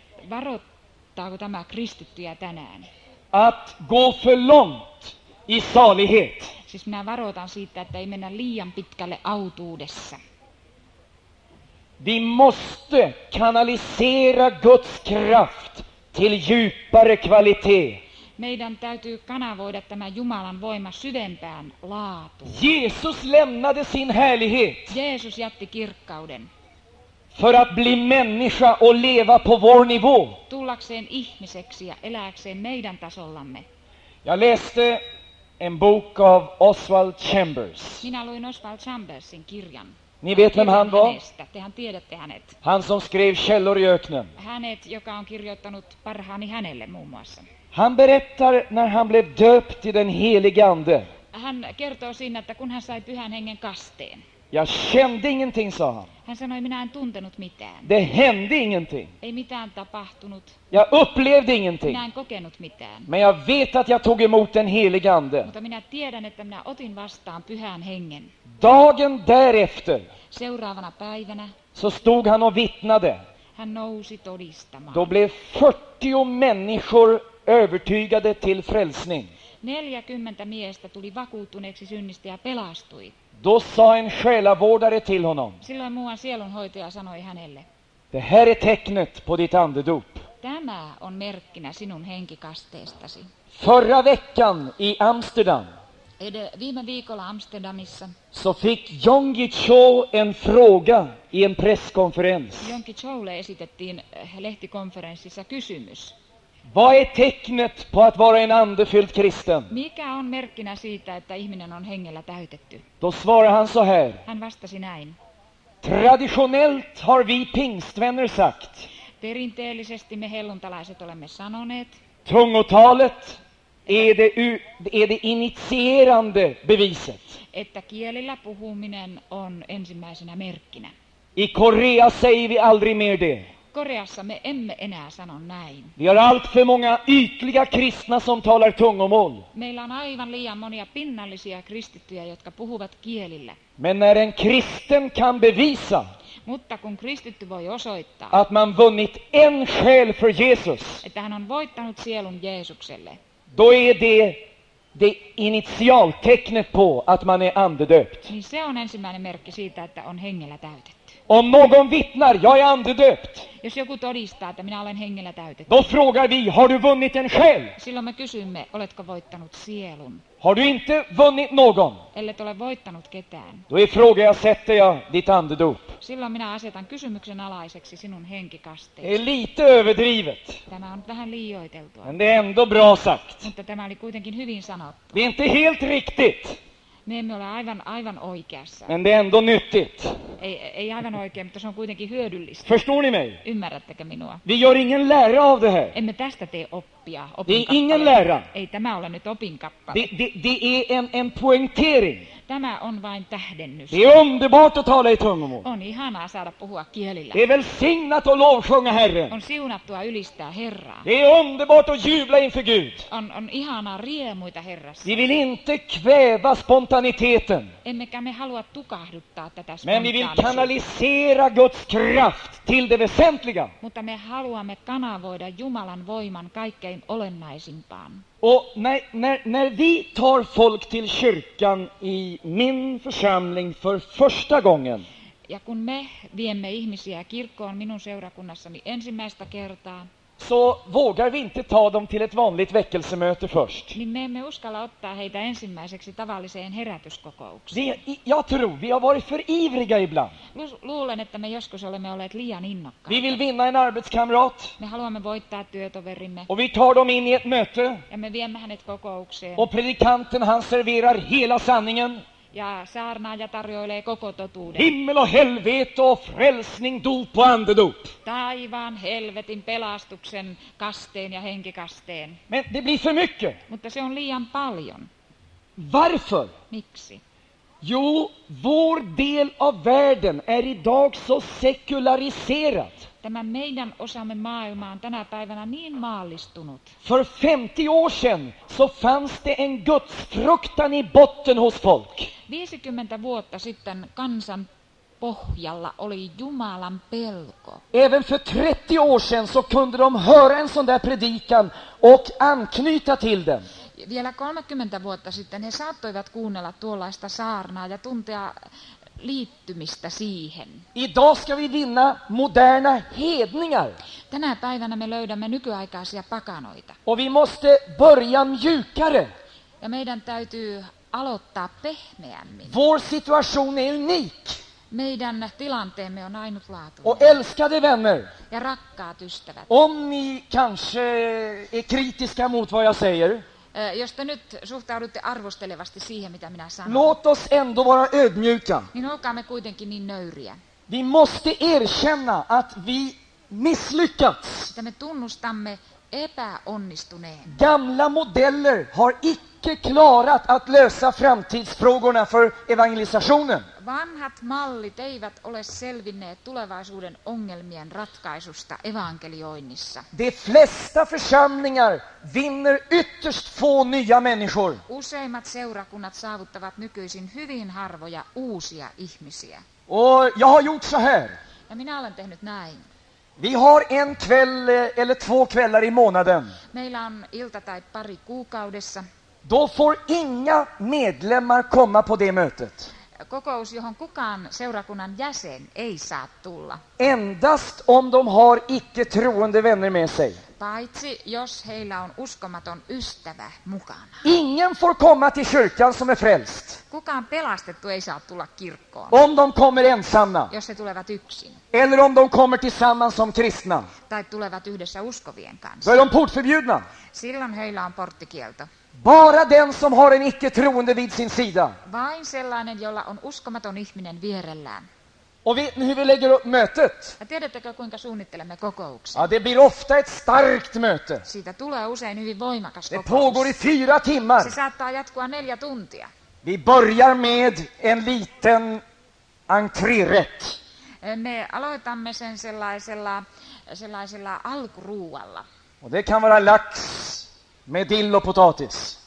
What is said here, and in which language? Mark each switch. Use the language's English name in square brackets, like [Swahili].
[Finnish] Varoittaako tämä kristittyjä tänään? [Swedish] Att gå för långt i salighet. [Finnish] Siis minä varoitan siitä, että ei mennä liian pitkälle autuudessa. [Swedish] Vi måste kanalisera Guds kraft till djupare kvalitet. [Finnish] Meidän täytyy kanavoida tämä Jumalan voima syvempään laatuun. [Swedish] Jesus lämnade sin härlighet. [Finnish] Jeesus jätti kirkkauden. [Swedish] För att bli människa och leva på vår nivå. [Finnish] Tullakseen ihmiseksi ja elääkseen meidän tasollamme. [Swedish] Jag läste en bok av Oswald Chambers. [Finnish] Minä luin Oswald Chambersin kirjan. [Swedish] Ni vet vem han var? [Finnish] Tehän tiedätte hänet. [Swedish] Han som skrev Källor i öknen. [Finnish] Hänet, joka on kirjoittanut parhaani hänelle muun muassa. [Swedish] Han berättar när han blev döpt i den helige ande. [Finnish] Hän kertoo siinä, että kun hän sai pyhän hengen kasteen. [Swedish] Jag kände ingenting, sa han. [Finnish] Hän sanoi, minä en tuntenut mitään. [Swedish] Det hände ingenting. [Finnish] Ei mitään tapahtunut. [Swedish] Jag upplevde ingenting. [Finnish] Minä en kokenut mitään. [Swedish] Men jag vet att jag tog emot den helige ande. [Finnish] Mutta minä tiedän, että minä otin vastaan pyhän hengen. [Swedish] Dagen därefter. [Finnish] Seuraavana päivänä. [Swedish] Så stod han och vittnade. [Finnish] Hän nousi todistamaan. [Swedish] Då blev 40 människor övertygade till frälsning. [Finnish] 40 miestä tuli vakuuttuneeksi synnistä ja pelastui. [Swedish] Då sa en själavårdare till honom. [Finnish] Silloin muuan sielunhoitaja sanoi hänelle. [Swedish] Det här är tecknet på ditt andedop. [Finnish] Tämä on merkkinä sinun henkikasteestasi. [Swedish] Förra veckan i Amsterdam. [Finnish] Viime viikolla Amsterdamissa. [Swedish] Så fick Jonggi Cho en fråga i en presskonferens. [Finnish] Jonggi Cholle esitettiin lehtikonferenssissa kysymys. [Swedish] Vad är tecknet på att vara en andefylld kristen? [Finnish] Mikä on merkkinä siitä, että ihminen on hengellä täytetty? [Swedish] Då svarar han så här. [Finnish] Hän vastasi näin. [Swedish] Traditionellt har vi pingstvänner sagt. [Finnish] Perinteellisesti me helluntalaiset olemme sanoneet. [Swedish] Tungotalet är det initierande beviset. [Finnish] Että kielillä puhuminen on ensimmäisenä merkkinä. [Swedish] I Korea säger vi aldrig mer det. [Finnish] Koreassa me emme enää sano näin. [Swedish] Vi har allt för många ytliga kristna som talar tungomål. [Finnish] Meillä on aivan liian monia pinnallisia kristittyjä, jotka puhuvat kielillä. [Swedish] Men när en kristen kan bevisa. [Finnish] Mutta kun kristitty voi osoittaa. [Swedish] Att man vunnit en själ för Jesus. [Finnish] Että hän on voittanut sielun Jeesukselle. [Swedish] Då är det initialtecknet på att man är andedöpt. [Finnish] Niin se on ensimmäinen merkki siitä, että on hengellä täytetty. [Swedish] Om någon vittnar, jag är andedöpt. [Finnish] Jos joku todistaa, että minä olen hengellä täytetty. [Swedish] Då frågar vi, har du vunnit en själ? [Finnish] Silloin me kysymme, oletko voittanut sielun? [Swedish] Har du inte vunnit någon? [Finnish] Ellet ole voittanut ketään. [Swedish] Då är frågan, jag sätter jag ditt andedop. [Finnish] Silloin minä asetan kysymyksen alaiseksi sinun henkikasteesi. [Swedish] Det är lite överdrivet. [Finnish] Tämä on vähän liioiteltua. [Swedish] Men det är ändå bra sagt. [Finnish] Mutta tämä oli kuitenkin hyvin sanottu. [Swedish] Det är inte helt riktigt. [Finnish] Me emme ole aivan oikeassa. [Swedish] Men det är ändå nyttigt. [Finnish] Ei aivan oikein, mutta se on kuitenkin hyödyllistä. [Swedish] Förstår ni mig? [Finnish] Ymmärrättekö minua? [Swedish] Vi gör ingen lära av det här. [Finnish] Emme tästä tee oppia. [Swedish] Det är ingen lära. [Finnish] Ei tämä ole nyt opinkappale. [Swedish] Det är en poängtering. [Finnish] Tämä on vain tähdennys. [Swedish] Det är underbart att tala i tungomål. [Finnish] On ihanaa saada puhua kielillä. [Swedish] Det är välsignat att lovsjunga Herren. [Finnish] On siunattua ylistää Herraa. [Swedish] Det är underbart att jubla inför Gud. [Finnish] On ihanaa riemuita Herrassa. [Swedish] Vi vill inte kväva spontaniteten. [Finnish] Emmekä me halua tukahduttaa tätä [Swedish] spontaniteten. Men vi vill kanalisera Guds kraft till det väsentliga. [Finnish] Mutta me haluamme kanavoida Jumalan voiman kaikkein olennaisimpaan. [Swedish] Och när vi tar folk till kyrkan i min församling för första gången. [Finnish] Ja kun me viemme ihmisiä kirkkoon minun seurakunnassani ensimmäistä kertaa. [Swedish] Så vågar vi inte ta dem till ett vanligt väckelsemöte först. [Finnish] Niin me emme uskalla ottaa heitä ensimmäiseksi tavalliseen herätyskokoukseen. [Swedish] Jag tror vi har varit för ivriga ibland. [Finnish] Luulen, että me joskus olemme olleet liian innokkaita. [Swedish] Vi vill vinna en arbetskamrat. [Finnish] Me haluamme voittaa työtoverimme. [Swedish] Och vi tar dem in i ett möte. [Finnish] Ja me viemme hänet kokoukseen. [Swedish] Och predikanten, han serverar hela sanningen. [Finnish] Ja saarnaaja tarjoilee koko totuuden. [Swedish] Himmel och helvete och frälsning, dop och andedop. [Finnish] Taivaan, helvetin, pelastuksen, kasteen ja henkikasteen. [Swedish] Men det blir för mycket. [Finnish] Mutta se on liian paljon. [Swedish] Varför? [Finnish] Miksi? [Swedish] Jo, vår del av världen är idag så sekulariserad. [Finnish] Tämä meidän osamme maailma on tänä päivänä niin maallistunut. [Swedish] För 50 år sedan så fanns det en gudsfruktan i botten hos folk. [Finnish] 50 vuotta sitten kansan pohjalla oli Jumalan pelko. [Swedish] Även för 30 år sedan så kunde de höra en sån där predikan och anknyta till den. [Finnish] Vielä 30 vuotta sitten he saattoivat kuunnella tuollaista saarnaa ja tuntea liittymistä siihen. [Swedish] Idag ska vi vinna moderna hedningar. [Finnish] Tänä päivänä me löydämme nykyaikaisia pakanoita. [Swedish] Och vi måste börja mjukare. [Finnish] Ja meidän täytyy aloittaa pehmeämmin. [Swedish] Vår situation är unik. [Finnish] Meidän tilanteemme on ainutlaatuinen. [Swedish] Och älskade vänner. [Finnish] Ja rakkaat ystävät. [Swedish] Om ni kanske är kritiska mot vad jag säger. [Finnish] Jos te nyt suhtaudutte arvostelevasti siihen, mitä minä sanon. [Swedish] Låt oss ändå vara ödmjuka. [Finnish] Niin olkaamme kuitenkin niin nöyriä. [Swedish] Vi måste erkänna att vi misslyckats. [Finnish] Että me tunnustamme epäonnistuneen. [Swedish] Gamla modeller har icke klarat att lösa framtidsfrågorna för evangelisationen. [Finnish] Vanhat mallit eivät ole selvinneet tulevaisuuden ongelmien ratkaisusta evankelioinnissa. [Swedish] De flesta församlingar vinner ytterst få nya människor. [Finnish] Useimmat seurakunnat saavuttavat nykyisin hyvin harvoja uusia ihmisiä. [Swedish] Och jag har gjort så här. [Finnish] Ja minä olen tehnyt näin. [Swedish] Vi har en kväll eller två kvällar i månaden. [Finnish] Meillä on ilta tai pari kuukaudessa. [Swedish] Då får inga medlemmar komma på det mötet. [Finnish] Kokous, johon kukaan seurakunnan jäsen ei saa tulla. [Swedish] Endast om de har icke-troende vänner med sig. [Finnish] Paitsi jos heillä on uskomaton ystävä mukana. [Swedish] Ingen får komma till kyrkan som är frälst. [Finnish] Kukaan pelastettu ei saa tulla kirkkoon. [Swedish] Om de kommer ensamma. [Finnish] Jos he tulevat yksin. [Swedish] Eller om de kommer tillsammans som kristna. [Finnish] Tai tulevat yhdessä uskovien kanssa. [Swedish] Då är de portförbjudna. [Finnish] Silloin heillä on porttikielto. [Swedish] Bara den som har en icke-troende vid sin sida. [Finnish] Vain sellainen, jolla on uskomaton ihminen vierellään. [Swedish] Och vet ni hur vi lägger upp mötet? [Finnish] Ja tiedättekö, kuinka suunnittelemme kokouksen? [Swedish] Ja, det blir ofta ett starkt möte. [Finnish] Siitä tulee usein hyvin voimakas kokous. [Swedish] Det pågår i 4 timmar. [Finnish] Se saattaa jatkua 4 tuntia. [Swedish] Vi börjar med en liten entrérätt. [Finnish] Me aloitamme sen sellaisella alkuruualla. [Swedish] Och det kan vara lax med dill och potatis.